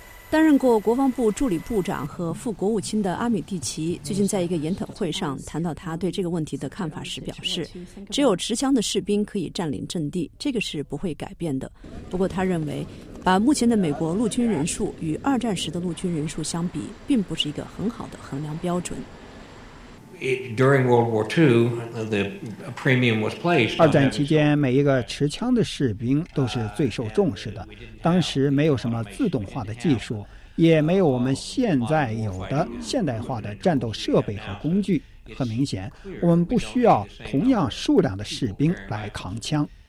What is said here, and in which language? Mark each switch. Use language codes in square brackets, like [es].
[zh] 担任过国防部助理部长和副国务卿的阿米蒂奇最近在一个研讨会上谈到他对这个问题的看法时表示，只有持枪的士兵可以占领阵地，这个是不会改变的。不过他认为把目前的美国陆军人数与二战时的陆军人数相比，并不是一个很好的衡量标准。 [en] During World War II, the premium was placed. [zh] 二战期间，每一个持枪的士兵都是最受重视的。当时没有什么自动化的技术，也没有我们现在有的现代化的战斗设备和工具。很明显，我们不需要同样数量的士兵来扛枪。